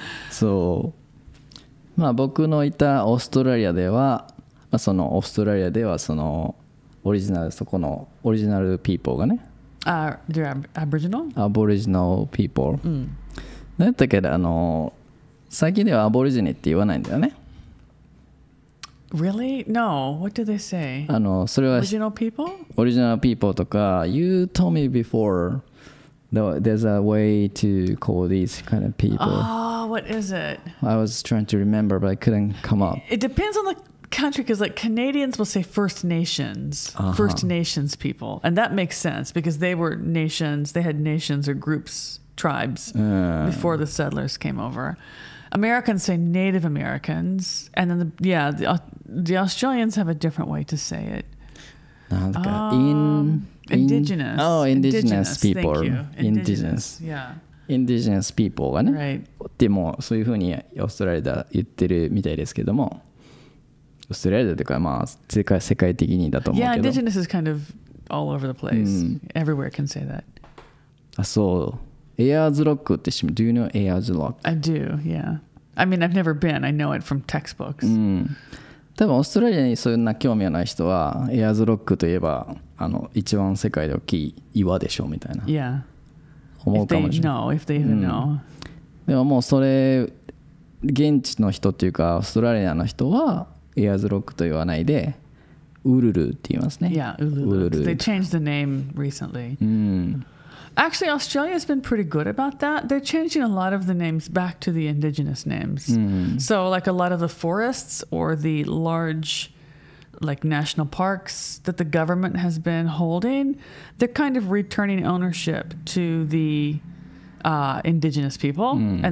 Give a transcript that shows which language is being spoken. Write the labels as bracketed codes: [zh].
[ja] そう、まあ僕のいたオーストラリアでは、まあ、そのオーストラリアではそのオリジナル、そこのオリジナルピーポーがね、アボリジナルピーポー、うん、だったけど、あの最近ではアボリジニって言わないんだよね。 [en] Really? No. What do they say? [ja] あのそれはオリジナルピーポ [en] ー、 [ja] オリジナルピーポーとか [en] You told me beforeThere's a way to call these kind of people. Oh, what is it? I was trying to remember, but I couldn't come up. It depends on the country, because like Canadians will say First Nations, uh-huh. First Nations people. And that makes sense, because they were nations, they had nations or groups, tribes, before the settlers came over. Americans say Native Americans. And then, the Australians have a different way to say it. Indigenous. Oh, indigenous people. Thank you. Indigenous. Yeah. Indigenous people がね。 Right. [ja] でもそういうふうにオーストラリアで言ってるみたいですけども、オーストラリアというかまあ世界的にだと思うけど。 [en] Yeah, indigenous is kind of all over the place.、Mm. Everywhere can say that. [ja] あ、そう。エアーズロックって知ってる? [en] Do you know エアーズロック? I do, yeah. I mean, I've never been. I know it from textbooks. うん。 [ja] 多分オーストラリアにそんな興味のない人はエアーズロックといえばあの一番世界で大きい岩でしょうみたいな、 [en] yeah. [ja] 思うかもしれない。 [en] If they know, if they even know.、うん、 [ja] でももうそれ現地の人っていうかオーストラリアの人はエアーズロックと言わないでウルルって言いますね。 [en] Yeah, ウルル。They changed the name recently.、うん、 Actually, Australia has been pretty good about that. They're changing a lot of the names back to the indigenous names.、うん、 so like a lot of the forests or the largeLike national parks that the government has been holding, they're kind of returning ownership to the、indigenous people、mm.